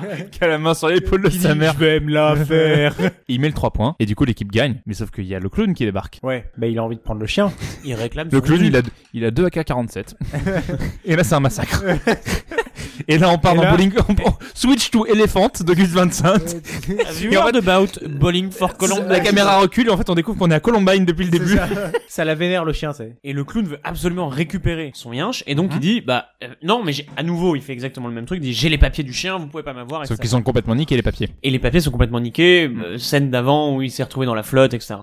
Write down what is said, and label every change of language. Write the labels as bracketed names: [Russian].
[French] Qui a la main sur l'épaule de sa mère. Je vais me la faire. Il met le 3 points et du coup, l'équipe gagne. Mais sauf qu'il y a le clown qui débarque. Ouais, bah il a envie de prendre le chien. Il réclame. Le clown, il a 2 AK-47. Et là, c'est un massacre. Et là, on part dans bowling. [English] Switch to Elephant de Gus Van Sant. What about bowling for Columbine? [French] La caméra recule et en fait, on découvre qu'on est à Columbine depuis le début. Ça la vénère, le chien, c'est. Et le clown veut absolument récupérer son yinche. Et donc, il dit, bah, non, mais à nouveau, il fait exactement le même truc. Il dit, j'ai les papiers du chien, vous pouvez pas m'avoir. Sauf qu'ils sont complètement niqués, les papiers. Et les papiers sont complètement niqués. Scène d'avant où il s'est retrouvé dans la flotte, etc.